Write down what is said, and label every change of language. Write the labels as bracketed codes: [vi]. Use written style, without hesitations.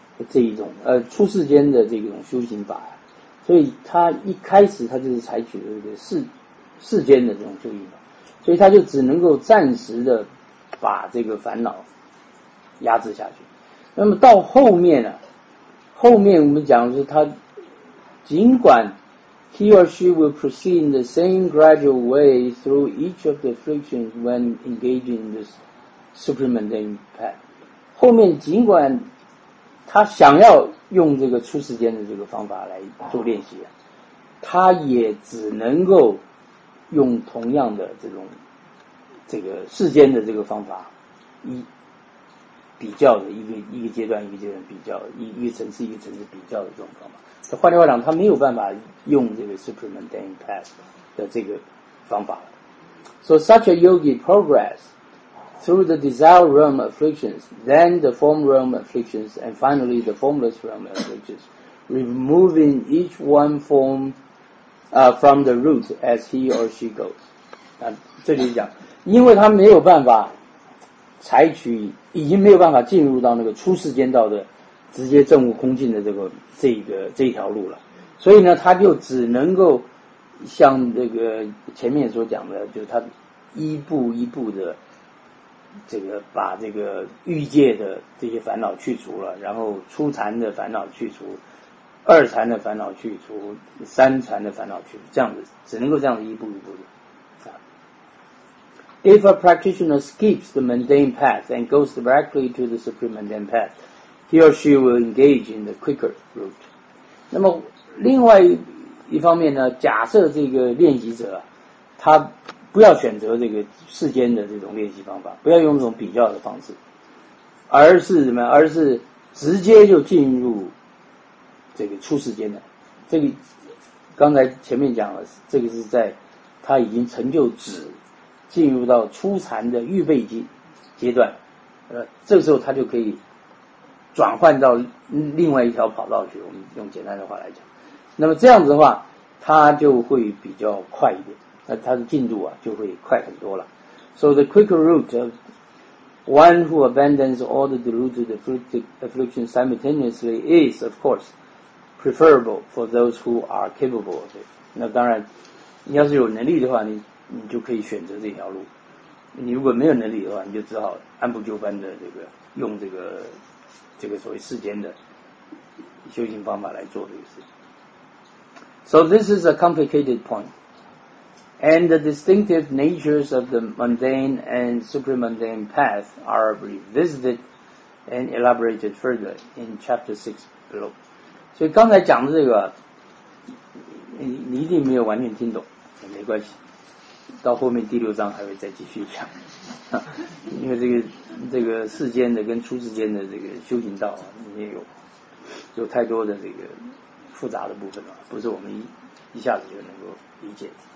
[zh] 这一种初世间的这种修行法，所以他一开始他就是采取了这个世间的这种修行法，所以他就只能够暂时的把这个烦恼压制下去。那么到后面啊，后面我们讲的是他尽管 [en] He or she will proceed in the same gradual way through each of the afflictions when engaging in this supreme mundane path. [zh] 后面尽管他想要用这个出世间的这个方法来做练习，他也只能够用同样的这种这个世间的这个方法，一比较的一个阶段一个阶段比较，一个层次比较的这种方法。换句话讲，他没有办法用这个 Supreme Mundane Path 的这个方法。 [en] So such a yogi progress through the desire realm afflictions, then the form realm afflictions, and finally the formless realm afflictions, removing each one form from the root as he or she goes. [zh] 那这里讲，因为他没有办法采取，已经没有办法进入到那个出世间道的直接证悟空性的这条路了，所以呢，他就只能够像这个前面所讲的，就是他一步一步的这个把这个欲界的这些烦恼去除了，然后初禅的烦恼去除，二禅的烦恼去除，三禅的烦恼去除，这样子只能够这样子一步一步的。 [en] If a practitioner skips the mundane path and goes directly to the supreme mundane path. He or she will engage in the quicker route. [zh] 那么另外一方面呢，假设这个练习者他不要选择这个世间的这种练习方法，不要用这种比较的方式，而是什么？而是直接就进入这个出世间的。这个刚才前面讲了，这个是在他已经成就止，进入到初禅的预备阶段，这个时候他就可以转换到另外一条跑道去，我们用简单的话来讲，那么这样子的话它就会比较快一点，那它的进度啊就会快很多了。 [en] So the quicker route of one who abandons all the deluded afflictions simultaneously is of course preferable for those who are capable of it. [zh] 那当然你要是有能力的话，你就可以选择这条路，你如果没有能力的话，你就只好按部就班的这个用这个所谓世间的修行方法来做这个事情。 [en] So this is a complicated point, and the distinctive natures of the mundane and supreme mundane path are revisited and elaborated further in chapter 6 below. [zh] 所以刚才讲的这个你一定没有完全听懂，没关系，到后面第六章还会再继续讲，因为这个世间的跟出世间的这个修行道里面有太多的这个复杂的部分了，不是我们一下子就能够理解的。